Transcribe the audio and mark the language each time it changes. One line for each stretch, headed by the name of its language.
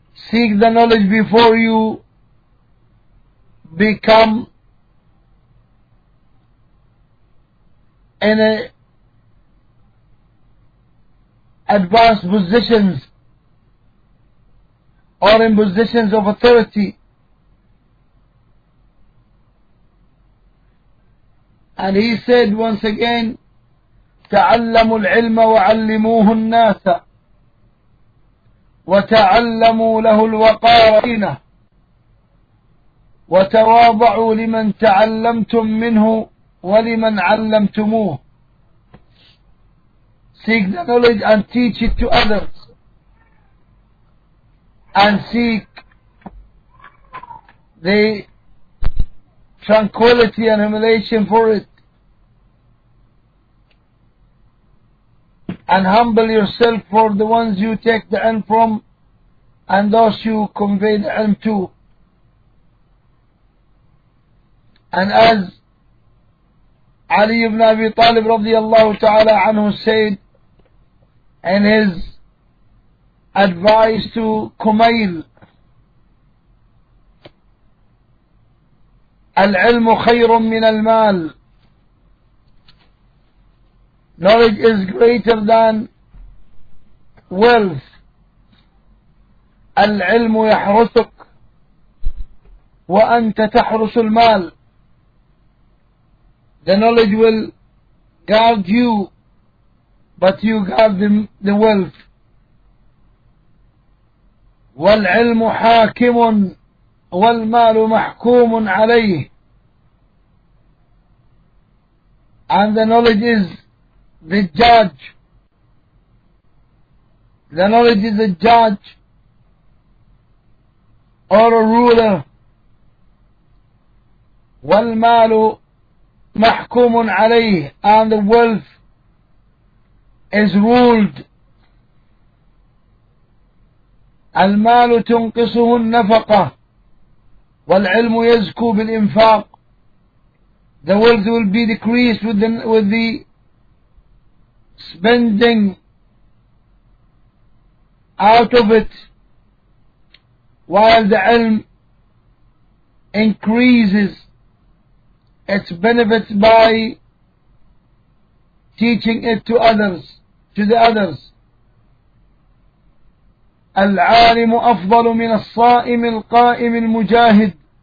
English: Seek the knowledge before you become in a advanced positions or in positions of authority. And he said once again,
Arabic: تعلموا العلم وعلموه الناس وتعلموا له الوقار فينه وتواضعوا لمن تعلمتم منه ولمن علمتموه.
English: Seek the knowledge and teach it to others, and seek the tranquility and humiliation for it, and humble yourself for the ones you take the ilm from and those you convey the ilm to. And as Ali ibn Abi Talib radiallahu ta'ala anhu said in his advice to Kumail,
Arabic: العلم خير من المال.
English: Knowledge is greater than wealth.
Arabic: العلم يحرسك وأنت تحرس المال.
English: The knowledge will guard you, but you guard the wealth.
Arabic: والعلم حاكم والمال محكوم عليه.
English: And the knowledge is زجاج. The knowledge is a judge or a ruler.
Arabic: والمال محكوم عليه,
English: and the wealth is ruled.
Arabic: المال تنقصه النفقة, والعلم يزكو بالإنفاق.
English: The wealth will be decreased with the spending out of it, while the ilm increases its benefits by teaching it to the others.
Arabic: العالم أفضل من الصائم القائم المجاهد.